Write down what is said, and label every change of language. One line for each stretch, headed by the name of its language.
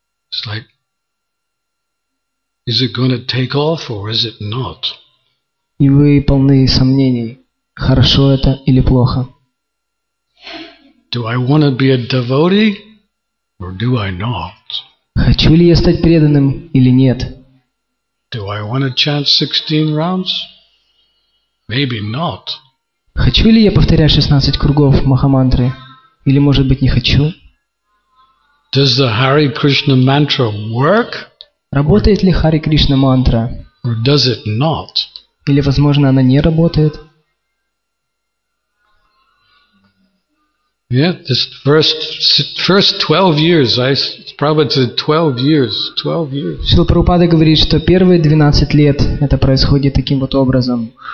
English: It's like, is it going to take off or is it not?
Russian: И вы полны сомнений, хорошо это или плохо.
English: Do I want to be a devotee or do I not?
Russian: Хочу ли я стать преданным или нет?
English: Do I want to chant 16 rounds? Maybe not.
Russian: Хочу ли я повторять 16 кругов Махамантры? Или, может быть, не хочу?
English: Does the Hare Krishna mantra work?
Russian: Работает ли Hare Krishna мантра?
English: Or does it not?
Russian: Или, возможно, она не работает?
English: Yeah, this first 12 years, I probably said 12 years.
Russian: Шрила Прабхупада говорит, что первые 12 лет это происходит таким вот образом.